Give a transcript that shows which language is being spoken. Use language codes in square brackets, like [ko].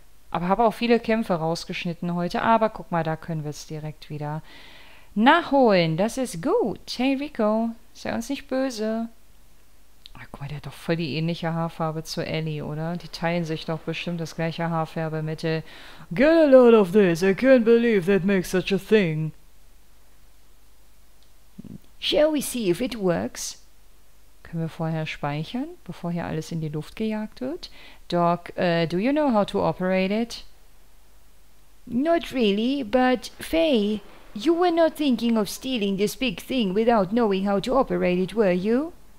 [de] Aber habe auch viele Kämpfe rausgeschnitten heute. Aber guck mal, da können wir es direkt wieder. Nachholen, das ist gut. Hey Rico, sei uns nicht böse. Ach, guck mal, der hat doch voll die ähnliche Haarfarbe zu Ellie, oder? Die teilen sich doch bestimmt das gleiche Haarfärbemittel. [en] Get a load of this, I can't believe that makes such a thing. Shall we see if it works? [de] Können wir vorher speichern, bevor hier alles in die Luft gejagt wird? [en] Doc, do you know how to operate it? Not really, but Faye, you were not thinking of stealing this big thing without knowing how to operate it, were you?